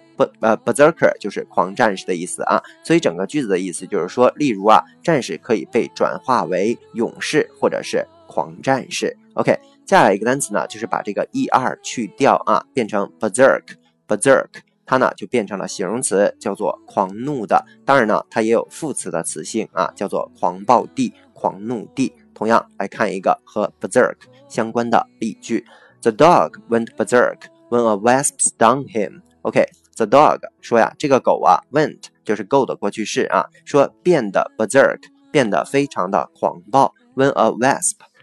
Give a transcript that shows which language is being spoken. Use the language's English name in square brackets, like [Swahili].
[Chinese] Berserker 就是狂战士的意思啊，所以整个句子的意思就是说，例如啊，战士可以被转化为勇士或者是狂战士。 OK，接下来一个单词呢，就是把这个 er 去掉啊，变成 berserk， 它呢就变成了形容词，叫做狂怒的。当然呢，它也有副词的词性啊，叫做狂暴地、狂怒地。同样来看一个和 berserk 相关的例句 ： [English] The dog went berserk when a wasp stung him. [Chinese] OK， the dog 说呀，这个狗啊 went 就是 go 的过去式啊，说变得 berserk， 变得非常的狂暴 [English] when a wasp。